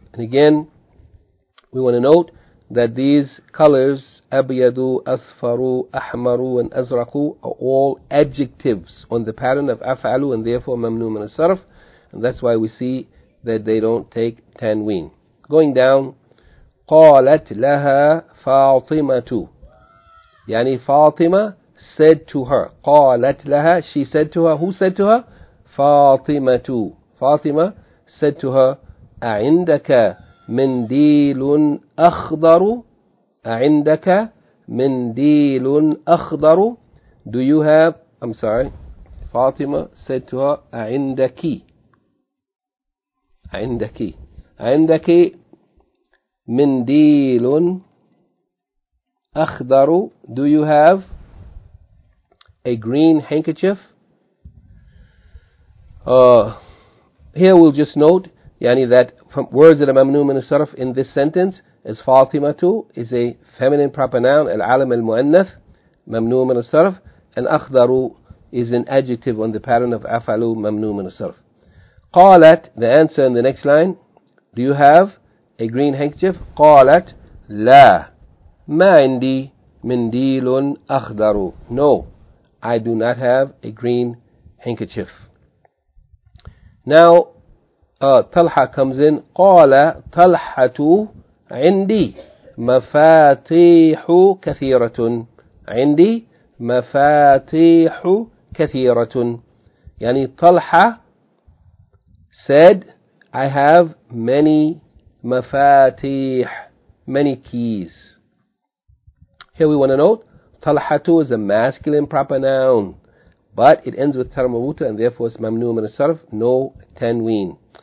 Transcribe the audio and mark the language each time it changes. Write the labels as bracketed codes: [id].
[en] And again, we want to note that these colors, أَبْيَضُ, أَصْفَرُ, أَحْمَرُ, and أَزْرَقُ, are all adjectives on the pattern of أَفْعَلُ, and therefore ممنوع من الصرف. And that's why we see that they don't take تَنْوِين. Going down, [ar] قَالَتْ لَهَا فَاطِمَةُ. [en] يعني فاطمة said to her. [ar] قَالَتْ لَهَا, [en] she said to her. Who said to her? [ar] فَاطِمَةُ. [en] Fatima said to her, [ar] أَعِنْدَكَ مِنْدِيلٌ أَخْضَرُ. أَعِنْدَكَ مِنْدِيلٌ أَخْضَرُ. [en] Do you have, I'm sorry, Fatima said to her, أَعِنْدَكِ. [ar] عندكِ. عندكِ منديلٌ أخضرُ. [en] Do you have a green handkerchief? Here we'll just note, يعني, that from words that are ممنوع من الصرف in this sentence is فاطمة, is a feminine proper noun, العالم المؤنث, ممنوع من الصرف, and أخضرُ is an adjective on the pattern of أفعلُ, ممنوع من الصرف. قالت, the answer in the next line, do you have a green handkerchief? [ar] قالت, لا, ما عندي منديل أخضر. [en] No, I do not have a green handkerchief. Now, طلحة comes in. [ar] قال طلحة عندي مفاتيح كثيرة. عندي مفاتيح كثيرة. [en] يعني طلحة said, I have many mafatih, many keys. Here we want to note, talhatu is a masculine proper noun, but it ends with tarmawuta and therefore it's mamnu min asarf, no tanween.